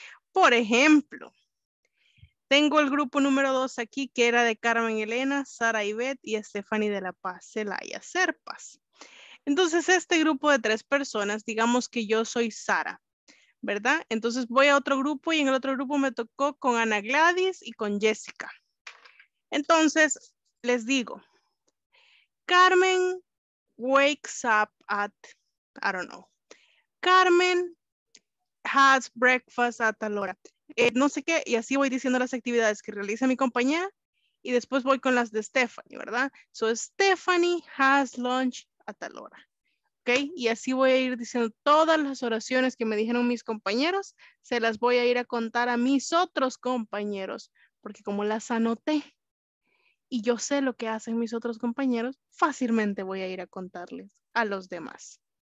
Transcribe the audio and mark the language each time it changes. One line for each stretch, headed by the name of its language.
Spanish: Por ejemplo, tengo el grupo número 2 aquí que era de Carmen Elena, Sara Ivette y Stephanie de la Paz, Celaya Serpas. Entonces, este grupo de 3 personas, digamos que yo soy Sara, ¿verdad? Entonces, voy a otro grupo y en el otro grupo me tocó con Ana Gladys y con Jessica. Entonces, les digo,
English: Carmen wakes up at, I don't know, Carmen has breakfast at
Spanish: tal hora. No sé qué, y así voy diciendo las actividades que realiza mi compañía. Y después voy con las de Stephanie, ¿verdad?
English: So, Stephanie has lunch
Spanish: a tal hora. Ok, y así voy a ir diciendo todas las oraciones que me dijeron mis compañeros, se las voy a ir a contar a mis otros compañeros, porque como las anoté y yo sé lo que hacen mis otros compañeros, fácilmente voy a ir a contarles a los demás.